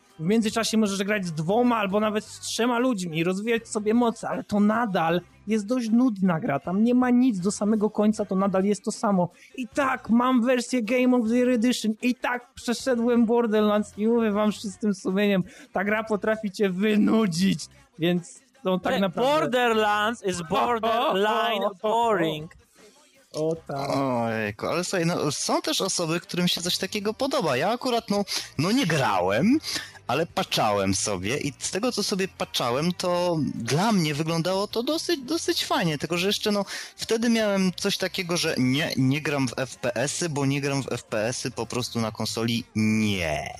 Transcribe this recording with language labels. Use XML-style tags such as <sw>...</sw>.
<pl>W międzyczasie możesz grać z dwoma albo nawet z trzema ludźmi i rozwijać sobie moce, ale to nadal jest dość nudna gra, tam nie ma nic do samego końca, to nadal jest to samo. I tak, mam wersję Game of the Year Edition, i tak przeszedłem Borderlands i mówię wam z czystym sumieniem, ta gra potrafi cię wynudzić, więc to tak naprawdę...</pl> <en>Borderlands is borderline boring.</en> <pl>Ojejku, ale słuchaj, no, są też osoby, którym się coś takiego podoba. Ja akurat, no nie grałem, ale patchałem sobie i z tego, co sobie patchałem, to dla mnie wyglądało to dosyć fajnie, tylko że jeszcze, wtedy miałem coś takiego, że nie gram w FPS-y, bo nie gram w FPS-y po prostu na konsoli, nie.</pl>